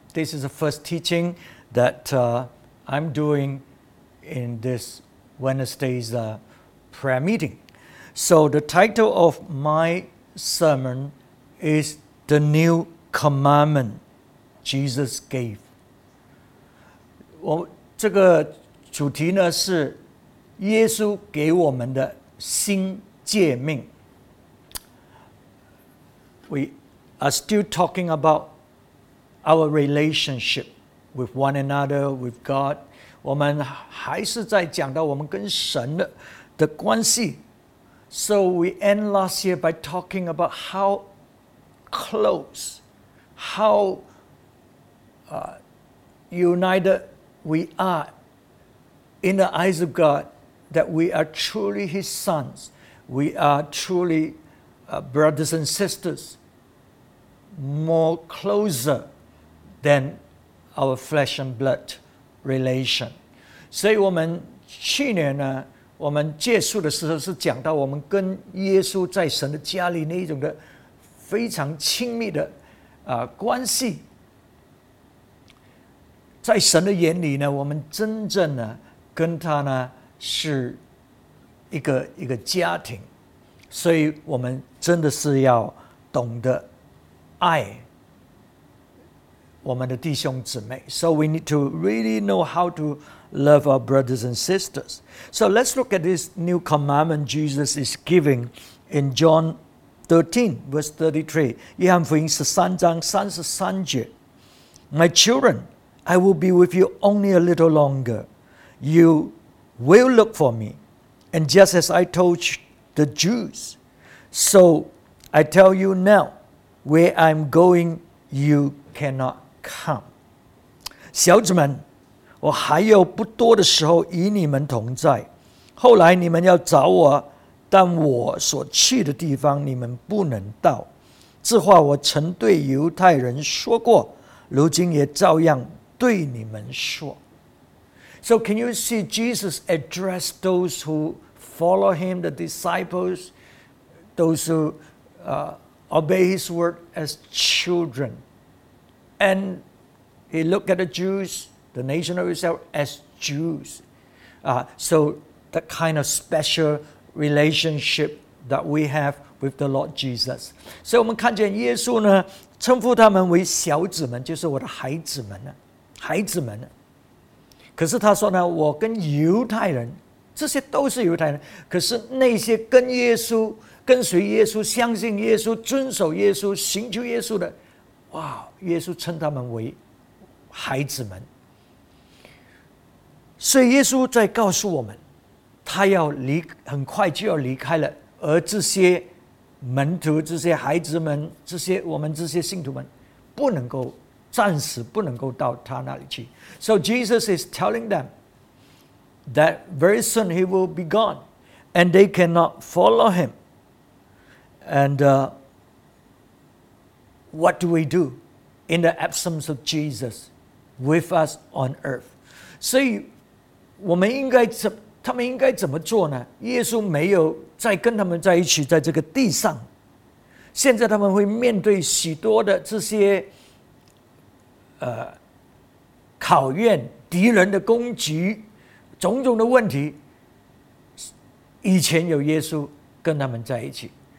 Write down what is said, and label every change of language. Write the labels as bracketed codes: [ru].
[en] This is the first teaching that、I'm doing in this Wednesday's、prayer meeting. So the title of my sermon is The New Commandment Jesus Gave. [zh] 我这个主题呢是耶稣给我们的新诫命。 [en] We are still talking about our relationship with one another, with God. [zh] 我们还是在讲到我们跟神 的关系。 [en] So we end last year by talking about how close, how、united we are. In the eyes of God, that we are truly His sons. We are truly、brothers and sisters. More closer than our flesh and blood relation. [zh] 所以我们去年呢，我们结束的时候是讲到我们跟耶稣在神的家里那种的非常亲密的、关系。在神的眼里呢，我们真正呢跟他呢是一个家庭，所以我们真的是要懂得爱我们的弟兄姊妹。 [en] So we need to really know how to love our brothers and sisters. So let's look at this new commandment Jesus is giving in John 13, verse 33. [zh] 约翰福音13章33节。 [en] My children, I will be with you only a little longer. You will look for me. And just as I told the Jews, so I tell you now, where I'm going, you cannot come. [zh] 小子们，我还有不多的时候与你们同在。后来你们要找我，但我所去的地方你们不能到。这话我曾对犹太人说过，如今也照样对你们说。 [en] So can you see Jesus address those who follow him, the disciples, those who、obey his word as children? And he looked at the Jews, the nation of Israel, as Jews.、so that kind of special relationship that we have with the Lord Jesus. [zh] So 我们看见耶稣呢称呼他们为小子们，就是我的孩子们，孩子们。可是他说呢，我跟犹太人，这些都是犹太人，可是那些跟耶稣、跟随耶稣、相信耶稣、遵守耶稣、寻求耶稣的，哇，耶稣称他们为孩子们。所以耶稣在告诉我们，他要离，很快就要离开了，而这些门徒、这些孩子们、这些我们这些信徒们，不能够暂时不能够到他那里去。 [en] So Jesus is telling them that very soon he will be gone and they cannot follow him. And、what do we do in the absence of Jesus with us on earth? [zh] 所以我们应该他们应该怎么做呢？耶稣没有再跟他们在一起在这个地上，现在他们会面对许多的这些考验、敌人的攻击、种种的问题，以前有耶稣跟他们在一起。